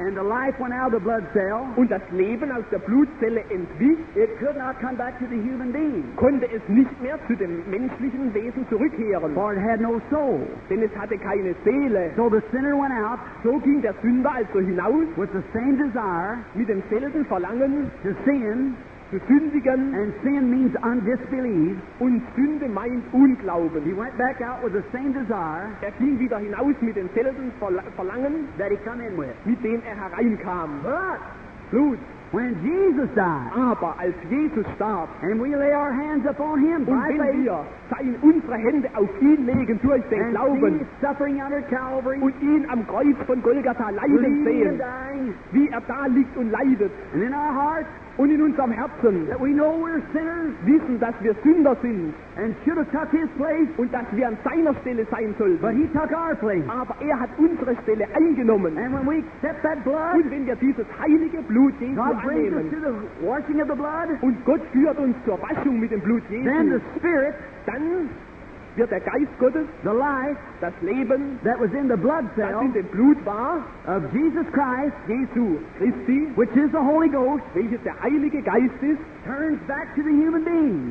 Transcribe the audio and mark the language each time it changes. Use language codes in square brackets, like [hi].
[en] and the life went out of the blood cell, [de] und das Leben aus der Blutzelle entwich, [en] it could not come back to the human being. [de] Konnte es nicht mehr zu dem menschlichen Wesen zurückkehren. [en] For it had no soul. [de] Denn es hatte keine Seele. [en] So the sinner went out, [de] so ging der Sünder also hinaus, [en] with the same desire, [de] mit demselben Verlangen, [en] to sin, [de] zu sündigen, [en] and sin means undisbelief, [de] und Sünde meint Unglauben. [en] He went back out with the same desire, [de] ging wieder hinaus mit demselben Verlangen, [en] that he come in with, [de] mit dem hereinkam. [en] But, [de] Blut, [en] when Jesus died, [de] aber als Jesus starb, [en] and we lay our hands upon him, [de] und [en] by [de] wenn wir seine unsere Hände auf ihn legen durch den [en] and [de] Glauben, [en] see suffering under Calvary, [de] und ihn am Kreuz von Golgatha leiden sehen, [en] dying, [de] wie da liegt und leidet, [en] and in our hearts, [de] und in unserem Herzen, [en] that we know we're sinners, [de] wissen, dass wir Sünder sind, [en] and should have took his place, [de] und dass wir an seiner Stelle sein sollten, [en] but he took our place, [de] aber hat unsere Stelle eingenommen, [en] and when we accept that blood, [de] und wenn wir dieses heilige Blut Jesu [en] God brings us to the washing of the blood, [de] und Gott führt uns zur Waschung mit dem Blut Jesu, [en] then the Spirit, [de] dann wird der Geist Gottes, [en] the life, [de] das Leben, [en] that was in the blood cell, [de] das in dem Blut war, [en] of Jesus Christ, [de] Jesu Christi, [en] which is the Holy Ghost, [de] welches der Heilige Geist ist, [en] turns back to the human being,